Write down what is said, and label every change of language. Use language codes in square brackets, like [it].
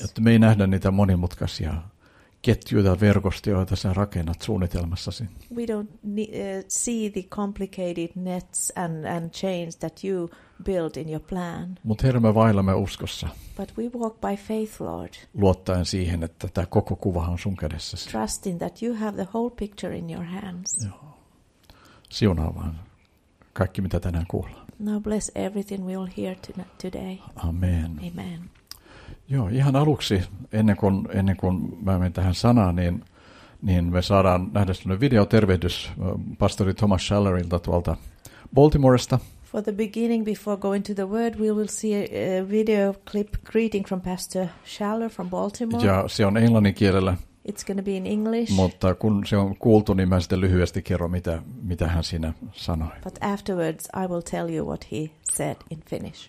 [fi] Jotta me ei nähdä niitä monimutkaisia ketjuja verkostoja, joita sä rakennat suunnitelmassasi. [en] We don't see the complicated nets and chains that you build in your plan. [fi] Mut Herra, me vaellamme uskossa. [en] But we walk by faith, Lord. [fi] Luottaen siihen, että tämä koko kuva on sun kädessäsi. [en] Trusting that you have the whole picture in your hands. [fi] Siunaa vaan kaikki, mitä tänään kuullaan. [en] Now bless everything we all hear today. [fi] Amen. [en] Amen. [fi] Joo, ihan aluksi, ennen kuin mä menen tähän sanaan, niin me saadaan nähdä sellainen videotervehdys pastori Thomas Schallerilta tuolta Baltimoresta. [en] For the beginning, before going to the word, we will see a video clip greeting from Pastor Schaller from Baltimore. [fi] Ja se on englannin kielellä. [en] It's going to be in English. [fi] Mutta kun se on kuultu, niin mä sitten lyhyesti kerron, mitä hän siinä sanoi. [en] But afterwards, I will tell you what he said in Finnish.